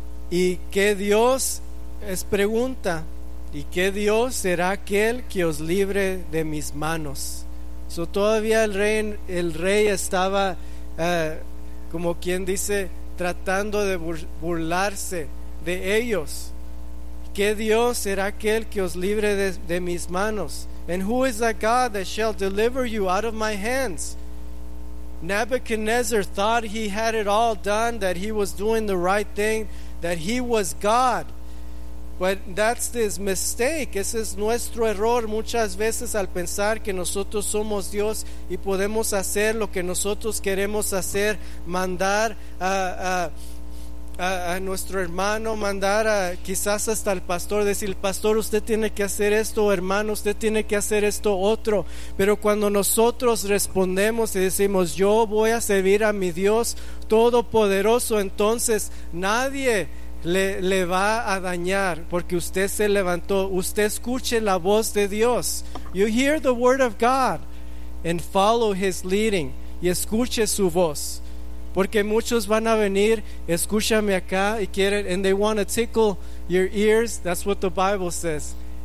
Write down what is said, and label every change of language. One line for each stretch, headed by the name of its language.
Spanish: Y que Dios es pregunta, ¿Y qué Dios será aquel que os libre de mis manos? So todavía el rey estaba, como quien dice, tratando de burlarse de ellos. ¿Qué Dios será aquel que os libre de mis manos?
English: And who is that God that shall deliver you out of my hands? Nebuchadnezzar thought he had it all done, that he was doing the right thing, that he was God. But that's his mistake.
Spanish: Ese es nuestro error muchas veces al pensar que nosotros somos Dios y podemos hacer lo que nosotros queremos hacer, mandar a nuestro hermano, mandar a, quizás hasta al pastor, decir: pastor, usted tiene que hacer esto, hermano, usted tiene que hacer esto otro. Pero cuando nosotros respondemos y decimos: yo voy a servir a mi Dios Todopoderoso, entonces nadie le va a dañar, porque usted se levantó. Usted escuche la voz de Dios.
English: You hear the word of God and follow his leading.
Spanish: Y escuche su voz. Porque muchos van a venir, escúchame acá, y quieren,
English: and they want to tickle your ears. That's what the Bible says.